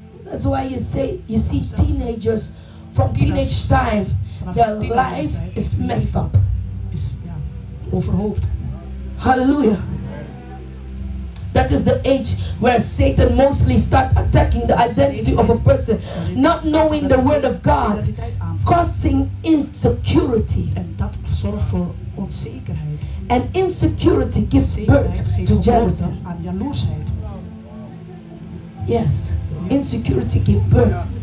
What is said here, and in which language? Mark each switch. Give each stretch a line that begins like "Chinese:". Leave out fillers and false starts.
English: That's why you see teenagers from teenage time, their life is messed up.
Dutch: Is overhoop.
English: Hallelujah. That is the age where Satan mostly start attacking the identity of a person, not knowing the word of God, causing insecurity. And that
Dutch: zorgt voor onzekerheid.
English: And insecurity gives birth to jealousy.
Dutch: Aan jaloersheid.
English: Yes, insecurity give birth